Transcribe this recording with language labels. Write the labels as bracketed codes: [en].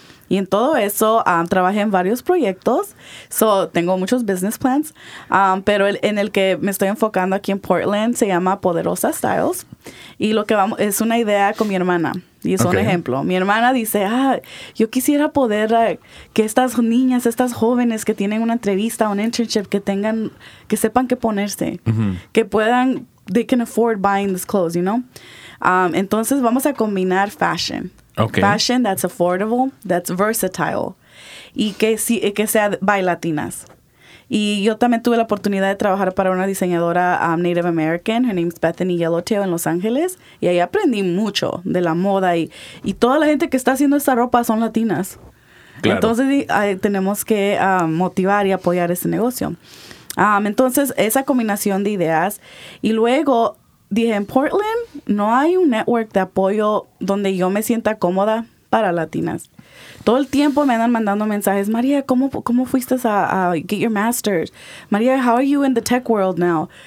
[es] Y en todo eso, trabajé en varios proyectos. So, tengo muchos business plans, pero en el que me estoy enfocando aquí en Portland se llama Poderosa Styles. Y lo que vamos es una idea con mi hermana. Y es un ejemplo. Mi hermana dice, yo quisiera poder que estas niñas, estas jóvenes que tienen una entrevista, un internship, que sepan qué ponerse. Que puedan, [en] they can afford buying these clothes, you know? [es] Entonces vamos a combinar fashion. [en] Okay. Fashion that's affordable, that's versatile. [es] y que, si, que sea bailatinas. Y yo también tuve la oportunidad de trabajar para una diseñadora Native American. [en] Her name is Bethany Yellowtail [es] en Los Ángeles. Y ahí aprendí mucho de la moda. Y toda la gente que está haciendo esta ropa son latinas. Claro. Entonces, tenemos que motivar y apoyar ese negocio. Entonces, esa combinación de ideas. Y luego, dije, en Portland no hay un network de apoyo donde yo me sienta cómoda para latinas. Todo el tiempo me andan mandando mensajes. María, ¿cómo fuiste a [en] get your master's? María, how are you in the tech world now?